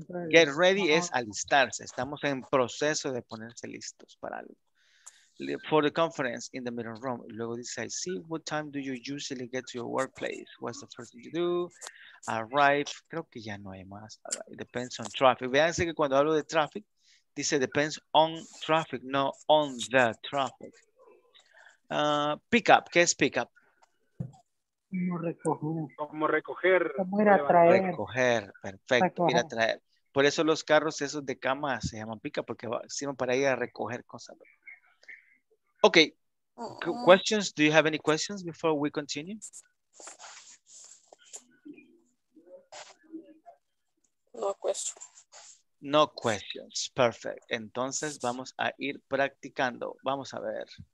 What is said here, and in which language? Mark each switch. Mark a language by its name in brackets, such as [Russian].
[English] Get ready [Spanish] es alistarse. Estamos en proceso de ponerse listos para algo. [English] for the conference in the meeting room. [Spanish] Luego dice, [English] I see, what time do you usually get to your workplace? What's the first thing you do? Arrive, [Spanish] creo que ya no hay más. [English] It depends on traffic. [Spanish] Véanse que cuando hablo de [English] traffic, dice depends on traffic, no on the traffic. Pick up, ¿qué es pick up? [Spanish] Como recoger. Como recoger. Como ir a traer. Recoger, perfecto, recoger. Ir a traer. Por eso los carros esos de cama se llaman pick up, porque sirven para ir a recoger cosas. [English] Ok, questions, do you have any questions before we continue? No questions. No questions. Perfect. [Spanish] Entonces vamos a ir practicando. Vamos a ver.